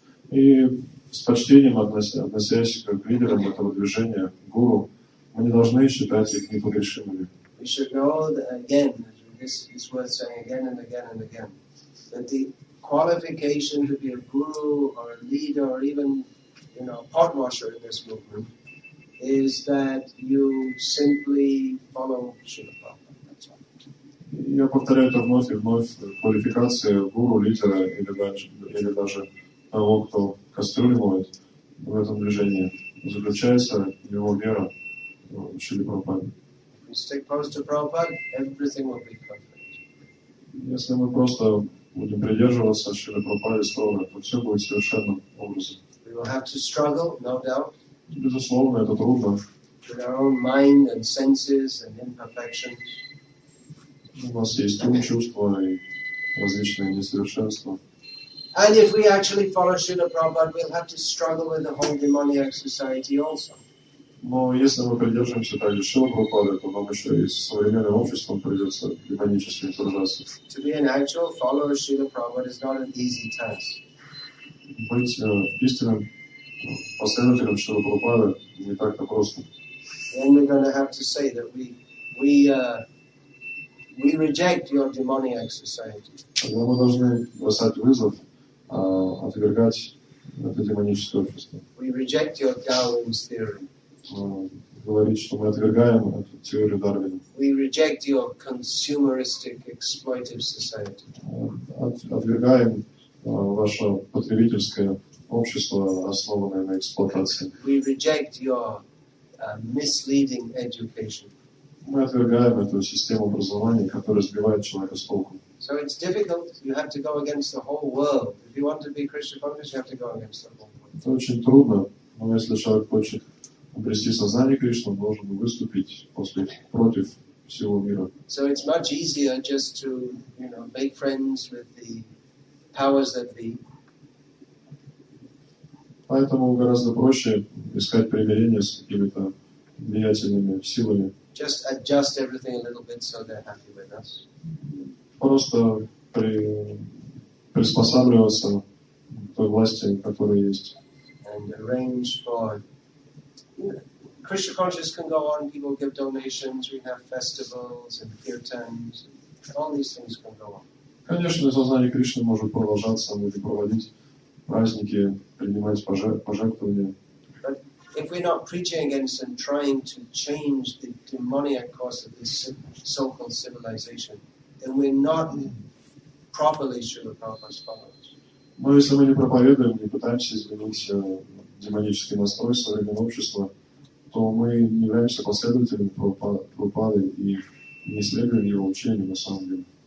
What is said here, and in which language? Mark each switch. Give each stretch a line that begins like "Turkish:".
Russian: И с почтением относясь к лидерам этого движения, гуру, мы не должны считать их непогрешимыми.
English: We should know that again, this is worth saying again and again and again, that the qualification to be a guru or a leader or even, a pot washer in this movement is that you simply follow Srila Prabhupada.
Russian: Я повторяю это вновь и вновь. Квалификация гуру, лидера или даже того, кто кастрюлю моет в этом движении, заключается в его вера в Шрила Прабхупаде.
English: Stick close to Prabhupada, everything will be perfect.
Russian: Если мы просто будем придерживаться Шрила Прабхупады строго, то все будет совершенным образом.
English: We will have to struggle, no doubt.
Russian: Безусловно, это трудно.
English: With our own mind and senses and imperfections.
Russian: У нас есть ум, чувства и различные несовершенства.
English: And if we actually follow Srila Prabhupada, we'll have to struggle with the whole demoniac society also.
Russian: Но если мы придерживаемся также Шрила Прабхупады, то нам еще и с современным обществом придется демонически сражаться.
English: To be an actual follower of Srila Prabhupada is not an easy task.
Russian: Быть истинным последователем Шрила Прабхупады не так-то просто.
English: Then we're going to have to say that we reject your demoniac society.
Russian: Тогда мы должны бросать вызов, отвергать это демоническое общество.
English: We reject your Darwin's theory.
Russian: Говорить, что мы отвергаем эту теорию Дарвина.
English: We reject your consumeristic exploitative society.
Russian: Отвергаем ваше потребительское общество, основанное на эксплуатации.
English: We reject your misleading education.
Russian: Мы отвергаем эту систему образования, которая сбивает человека с толку.
English: So it's difficult. You have to go against the whole world. If you want to be Krishna conscious, you have to go against the whole world.
Russian: Это очень трудно, но если человек хочет обрести сознание Кришны, должен выступить после против всего мира.
English: So it's much easier just to, make friends with the powers that be.
Russian: Поэтому гораздо проще искать примирение с какими-то влиятельными силами.
English: Just adjust everything a little bit so they're happy with us.
Russian: Просто приспосабливаться к той власти, которая есть.
English: And arrange for Krishna consciousness can go on, people give donations, we have festivals and kirtans, and all these things can go on.
Russian: Конечно, сознание Кришны может продолжаться, мы можем проводить праздники, принимать пожертвования.
English: If we're not preaching against and trying to change the demoniac course of this so-called civilization, then we're not properly Srila Prabhupada's followers.
Russian: Но если мы не проповедуем, не пытаемся изменить демонический настрой современного общества, то мы не являемся последователями Прабхупады и не следуем его учению на самом деле.